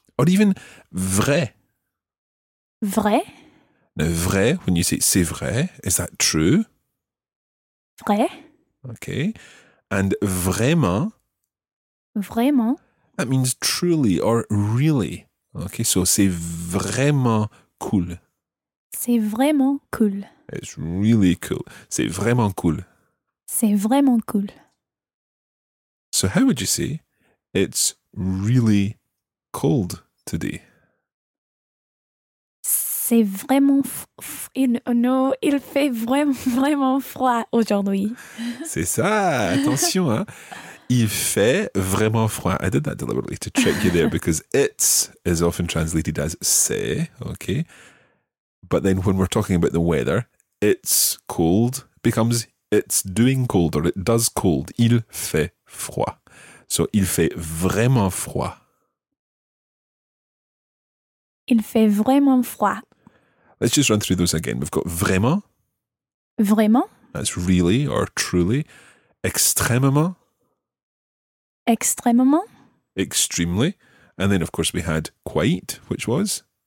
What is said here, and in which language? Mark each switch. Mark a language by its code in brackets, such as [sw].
[en] Or even vrai. [fr] Vrai. [en] Now, vrai, when you say [fr] c'est vrai, [en] is that true? [fr] Vrai. [en] Okay. And vraiment. [fr] Vraiment. [en] That means truly or really. Okay, so [fr] c'est vraiment cool. C'est vraiment cool. [en] It's really cool. [fr] C'est vraiment cool. C'est vraiment cool. [en] So how would you say it's really cold today? [fr] C'est vraiment... il fait vraiment froid aujourd'hui. C'est ça. [en] Attention, [fr] hein. Il fait vraiment froid. [en] I did that deliberately to trick you there because it's is often translated as c'est, okay? But then when we're talking about the weather, it's cold becomes it's doing cold or it does cold. [fr] Il fait froid. So il fait vraiment froid. Il fait vraiment froid. [en] Let's just run through those again. We've got vraiment. [fr] Vraiment. [en] That's really or truly. Extrêmement. [fr] Extrêmement. [en] Extremely. And then, of course, we had quite, which was?